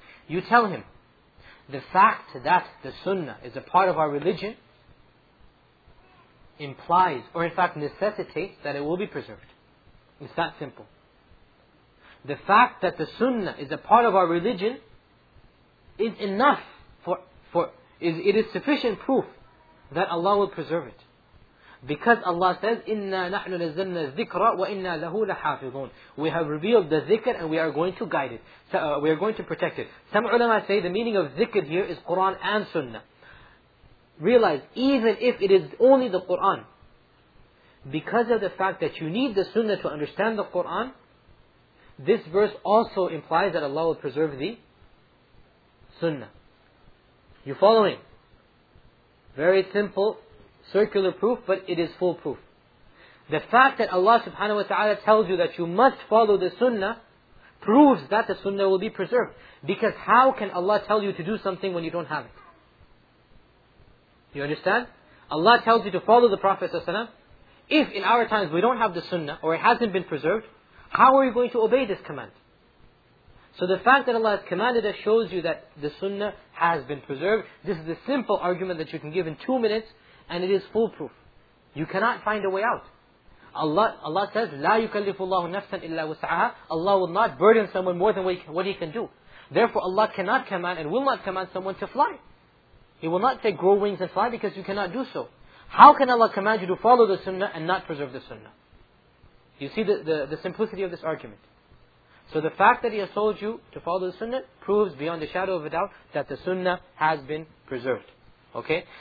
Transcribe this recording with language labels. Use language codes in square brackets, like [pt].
[en] You tell him, the fact that the Sunnah is a part of our religion implies, or in fact necessitates, that it will be preserved. It's that simple. The fact that the Sunnah is a part of our religion is enough it is sufficient proof that Allah will preserve it. Because Allah says, [ar] إِنَّا نَحْنُ نَزَّلْنَا الذِّكْرَ وَإِنَّا لَهُ لَحَافِظُونَ. [en] We have revealed the zikr and we are going to guide it. So, we are going to protect it. Some ulama say the meaning of zikr here is Quran and Sunnah. Realize, even if it is only the Quran, because of the fact that you need the Sunnah to understand the Quran, this verse also implies that Allah will preserve the Sunnah. You following? Very simple, circular proof, but it is foolproof. The fact that Allah subhanahu wa ta'ala tells you that you must follow the Sunnah proves that the Sunnah will be preserved. Because how can Allah tell you to do something when you don't have it? You understand? Allah tells you to follow the Prophet ﷺ. If in our times we don't have the Sunnah, or it hasn't been preserved, how are you going to obey this command? So the fact that Allah has commanded us shows you that the Sunnah has been preserved. This is a simple argument that you can give in 2 minutes, and it is foolproof. You cannot find a way out. Allah says, [ar] لا يكلف الله نفسا إلا وسعها. [en] Allah will not burden someone more than what he can do. Therefore Allah cannot command and will not command someone to fly. He will not say, grow wings and fly, because you cannot do so. How can Allah command you to follow the Sunnah and not preserve the Sunnah? You see the simplicity of this argument. So the fact that he has told you to follow the Sunnah proves beyond a shadow of a doubt that the Sunnah has been preserved. Okay?